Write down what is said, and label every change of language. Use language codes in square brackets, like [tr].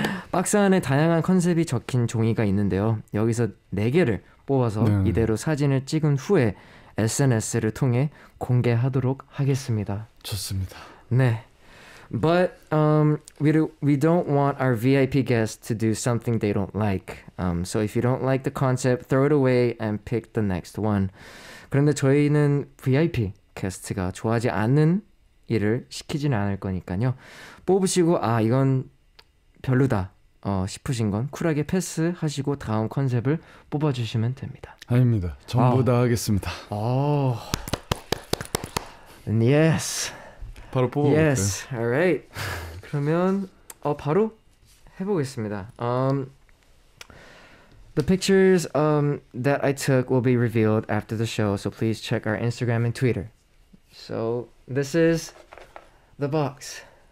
[ko] 박스 안에 다양한 컨셉이 적힌 종이가 있는데요. 여기서 4개를 뽑아서 네. 이대로 사진을 찍은 후에 SNS를 통해 공개하도록 하겠습니다. 좋습니다. 네. [en] But we don't want our VIP guests to do something they don't like. So if you don't like the concept, throw it away and pick the next one. [ko] 그런데 저희는 VIP 게스트가 좋아하지 않는 일을 시키진 않을 거니까요. 뽑으시고 아 이건 별로다 싶으신 건 쿨하게 패스하시고 다음 컨셉을 뽑아주시면 됩니다. 아닙니다. 전부 다 하겠습니다. [en] Yes. [ko] 바로 뽑아볼까요? [en] Yes. All right. [ko] 그러면 바로 해보겠습니다. [en] The pictures that I took will be revealed after the show, so please check our Instagram and Twitter. So this is the box.